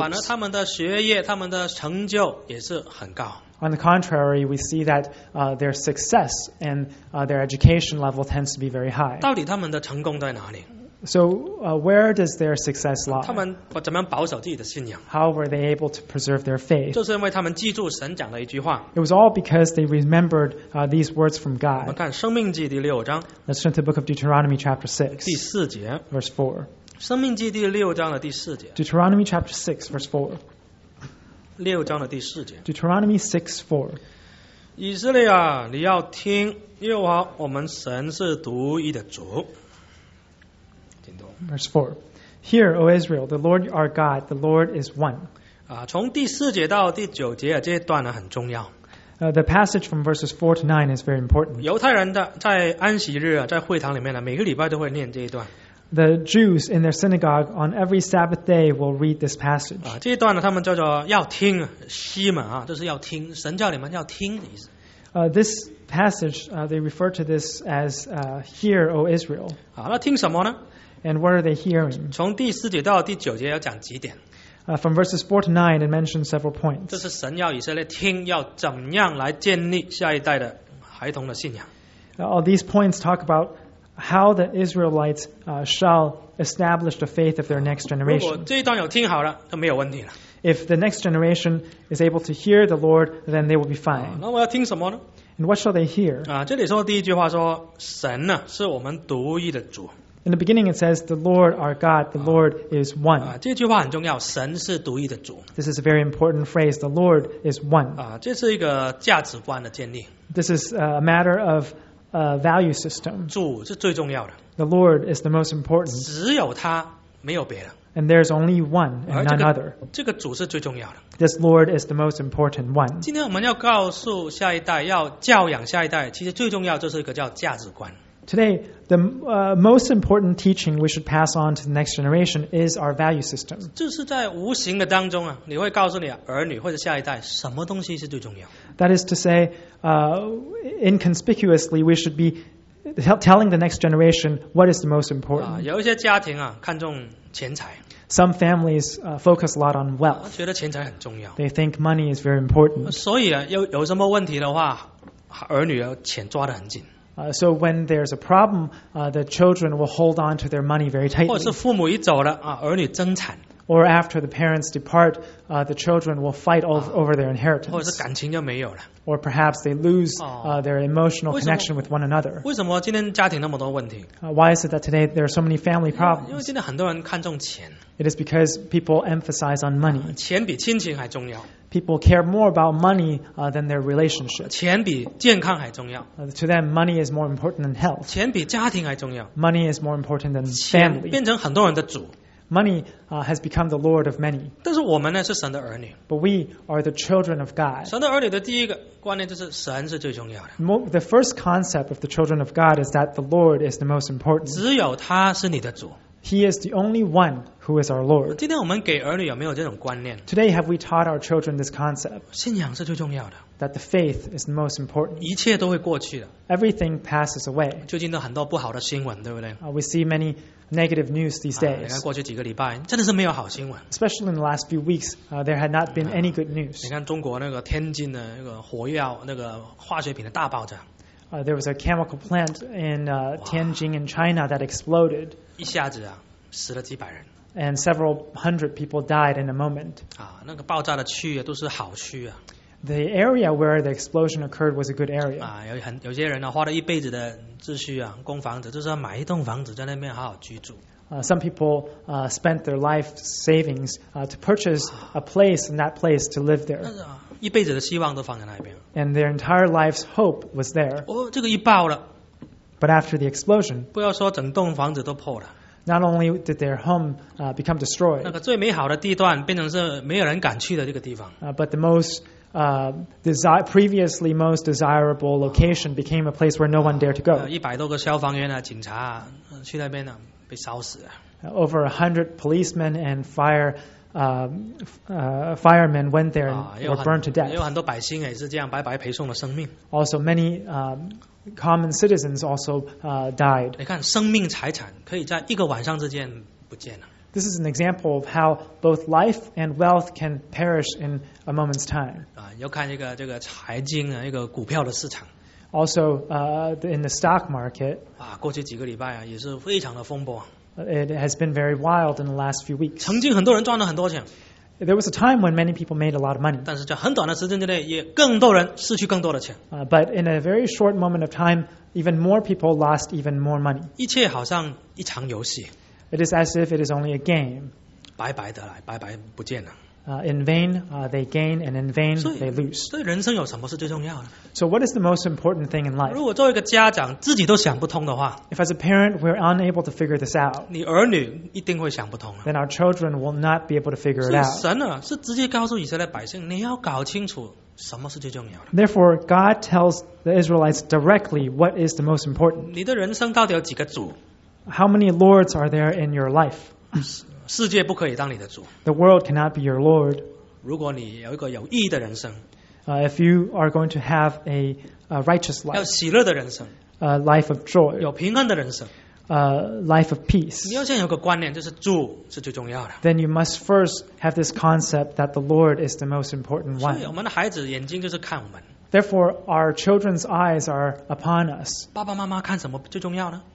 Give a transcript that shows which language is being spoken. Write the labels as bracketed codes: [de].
[zh] 反而他们的学业、他们的成就也是很高。 [en] On the contrary, we see that their success and their education level tends to be very high. [zh] 到底他们的成功在哪里？ [en] So, where does their success lie? [zh] 他们怎么样保守自己的信仰？ [en] How were they able to preserve their faith? [zh] 就是因为他们记住神讲的一句话。 [en] It was all because they remembered these words from God. [zh] 我们看《生命记》第六章。 [en] Let's turn to the book of Deuteronomy chapter 6. [zh] 第四节。 [en] Verse 4. [zh] 生命记第六章的第四节。 [en] Deuteronomy chapter 6, verse 4. [zh] 六章的第四节。 [en] Deuteronomy 6, 4. [zh] 以色列啊，你要听，耶和华我们神是独一的主。 [en] Verse 4. Hear, O Israel, the Lord our God, the Lord is one. [zh] 从第四节到第九节这段呢很重要。 [en] The passage from verses 4 to 9 is very important. [zh] 犹太人的在安息日在会堂里面呢每个礼拜都会念这一段。 [en] The Jews in their synagogue on every Sabbath day will read this passage. [zh] 这段呢他们叫做要听西门啊就是要听神叫你们要听的意思。 [en] This passage, they refer to this as, Hear, O Israel. [zh] 那听什么呢？ [en] And what are they hearing? [zh] 从第四节到第九节要讲几点。 [en] From verses 4 to 9, it mentions several points. [zh] 这是神要以色列听要怎样来建立下一代的孩童的信仰。 [en] All these points talk about how the Israelites, shall establish the faith of their next generation. [zh] 如果这一段有听好了，就没有问题了。 [en] If the next generation is able to hear the Lord, then they will be fine. [zh] 那我要听什么呢？ [en] And what shall they hear? [zh] 这里说第一句话说，神呢，是我们独一的主。 [en] In the beginning, it says, "The Lord our God, the Lord is one." [zh] 这句话很重要。神是独一的主。 [en] This is a very important phrase. The Lord is one. [zh] 这是一个价值观的建立。 [en] This is a matter of a value system. [zh] 主是最重要的。 [en] The Lord is the most important. [zh] 只有他，没有别的。 [en] And there is only one and none other. [zh] 这个主是最重要的。 [en] This Lord is the most important one. [zh] 今天我们要告诉下一代，要教养下一代，其实最重要就是一个叫价值观。 [en] Today, the most important teaching we should pass on to the next generation is our value system. [zh] 这是在无形的当中啊，你会告诉你儿女或者下一代什么东西是最重要。 [en] That is to say, inconspicuously, we should be telling the next generation what is the most important. [zh] 有一些家庭啊，看重钱财。 [en] Some families focus a lot on wealth. [zh] 觉得钱财很重要。 [en] They think money is very important. [zh] 所以啊，有什么问题的话，儿女要钱抓得很紧。 [en] So when there's a problem, the children will hold on to their money very tightly. [zh] 或者是父母一走了啊，儿女争产。 [en] Or after the parents depart, the children will fight over their inheritance. [zh] 或者是感情就没有了。 [en] Or perhaps they lose their emotional connection with one another. [zh] 为什么今天家庭那么多问题？ [en] Why is it that today there are so many family problems? [zh] 因为今天很多人看重钱。 [en] It is because people emphasize on money. [zh] 钱比亲情还重要。 [en] People care more about money than their relationship. [zh] 钱比健康还重要。 [en] To them, money is more important than health. [zh] 钱比家庭还重要。 [en] Money is more important than family. [zh] 钱变成很多人的主。 [en] Money has become the Lord of many. [zh] 但是我们呢是神的儿女。 [en] But we are the children of God. [zh] 神的儿女的第一个观念就是神是最重要的。 [en] The first concept of the children of God is that the Lord is the most important. [zh] 只有他是你的主。 [en] He is the only one who is our Lord. [zh] 今天我们给儿女有没有这种观念？ [en] Today, have we taught our children this concept? [zh] 信仰是最重要的。 [en] That the faith is the most important. [zh] 一切都会过去的。 [en] Everything passes away. [zh] 最近都很多不好的新闻，对不对？ [en] We see many negative news these days. [zh] 你看过去几个礼拜，真的是没有好新闻。 [en] Especially in the last few weeks, there had not been any good news. [zh] 你看中国那个天津的那个火药、那个化学品的大爆炸。 [en] There was a chemical plant in Tianjin in China that exploded. [zh] 一下子啊，死了几百人。 [en] And several hundred people died in a moment. [zh] 那个爆炸的区域都是好区啊。 [en] The area where the explosion occurred was a good area. [zh] 有些人呢，花了一辈子的积蓄啊，供房子，就是要买一栋房子在那边好好居住。 [en] Some people spent their life savings to purchase a place in that place to live there. [zh] 一辈子的希望都放在那边。 [en] And their entire life's hope was there. [zh] 这个一爆了。 [en] But after the explosion, [zh] 不要说整栋房子都破了。 [en] Not only did their home become destroyed. [zh] 那个最美好的地段变成是没有人敢去的这个地方。 [en] But the most previously most desirable location became a place where no one dared to go. [zh] 一百多个消防员啊，警察啊，去那边呢。被烧死了。 [en] Over 100 policemen and firemen went there and were burned to death. [zh] 有很多百姓也是这样白白赔送了生命。 [en] Also many common citizens also died. [zh] 你看，生命财产可以在一个晚上之间不见了。 [en] This is an example of how both life and wealth can perish in a moment's time. [zh] 要看这个财经的一个股票的市场。 [en] Also, in the stock market, [zh] 过去几个礼拜啊，也是非常的风波。 [en] It has been very wild in the last few weeks. [zh] 曾经很多人赚了很多钱。 [en] There was a time when many people made a lot of money. [zh] 但是在很短的时间之内，也更多人失去更多的钱。 [en] But in a very short moment of time, even more people lost even more money. [zh] 一切好像一场游戏。 [en] It is as if it is only a game. [zh] 白白的来，白白不见了。 [en] In vain they gain, and in vain they lose. [zh] 所以人生有什么是最重要的？ [en] So what is the most important thing in life? [zh] 如果作为一个家长，自己都想不通的话， [en] If as a parent we're unable to figure this out, [zh] 你儿女一定会想不通。 [en] Then our children will not be able to figure it out. [zh] 神啊，是直接告诉以色列百姓，你要搞清楚什么是最重要的。 [en] Therefore, God tells the Israelites directly what is the most important. [zh] 你的人生到底有几个主？ [en] How many lords are there in your life? [zh] 世界不可以当你的主。 [en] The world cannot be your lord. [zh] 如果你有一个有意义的人生， [en] If you are going to have a righteous life, [zh] 要喜乐的人生， [en] A life of joy, [zh] 有平安的人生， [en] A life of peace, [zh] 你要先有个观念，就是主是最重要的。 [en] Then you must first have this concept that the Lord is the most important one. [zh] 所以我们的孩子眼睛就是看我们。 [en] Therefore, our children's eyes are upon us. [zh] 爸爸妈妈看什么最重要呢？